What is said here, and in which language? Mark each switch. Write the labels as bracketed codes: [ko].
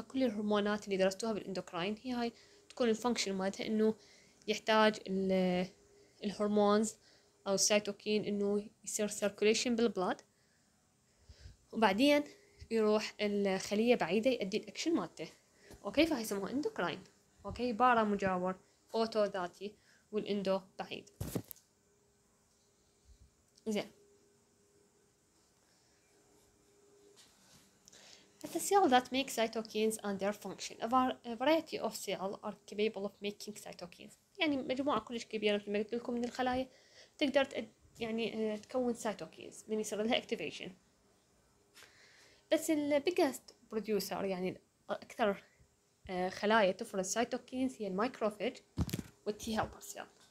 [ar] كل الهرمونات اللي درستوها بالاندوكراين هي هاي تكون الفانكشن مالتها انه يحتاج الهرمونز او السيتوكين انه يصير سيركوليشن بالبلاد، وبعدين يروح الخلية بعيدة يؤدي الاكشن مالته. اوكي فهي يسموها اندوكراين. اوكي بارا مجاور، اوتو ذاتي، والاندو بعيد. زين هسا [en] cells that make cytokines and their function. A variety of cells are capable of making cytokines، [ar] يعني مجموعه كلش كبيره مثل ما قلت لكم من الخلايا تقدر يعني تكون cytokines من يصير لها activation. بس ال [en] biggest producer [ar] يعني اكثر خلايا تفرز سايتوكينز هي المايكروفاج والتي هيلبر سيل.